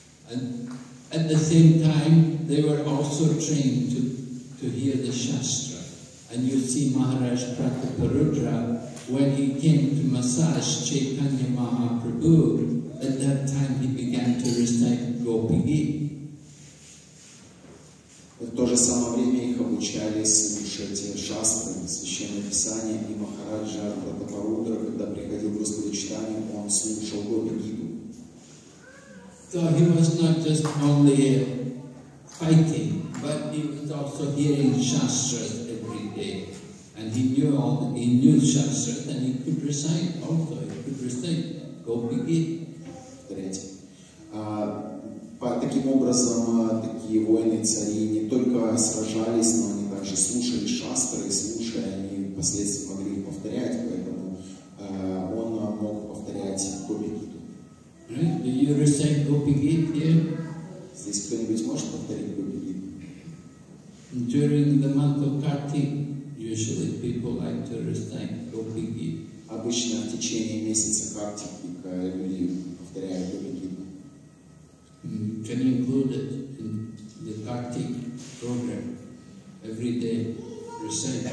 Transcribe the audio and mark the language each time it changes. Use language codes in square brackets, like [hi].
[en] And at the same time, they were also trained to hear the Shastra. And you see Maharaj Prataparudra, when he came to massage Chaitanya Mahaprabhu, at that time he began to recite Gopi Gita. [ru] В то же самое время их обучали слушать Шастры, Священное Писание, и Махараджа Прадхапарудра, когда приходил Господу Читанию, он слушал Гопи Гиту. [en] So he was not just only fighting, but he was also hearing shastras every day. And he knew shastras, and he could recite also. He could recite Gopi Gita. [ru] Таким образом, такие воины-цари не только сражались, но они также слушали шастры, и слушая, они впоследствии могли повторять, поэтому он мог повторять Гопи Гиту. [en] Right? Do you recite Gopi Gita here? [ru] Здесь кто-нибудь может повторить Gopi Gita? [en] During the month of Kartik, usually people like to recite Gopi Gita. [ru] Обычно в течение месяца Картика люди повторяют Gopi Gita. [en] Can you include it in the Kartik program? Every day, recite.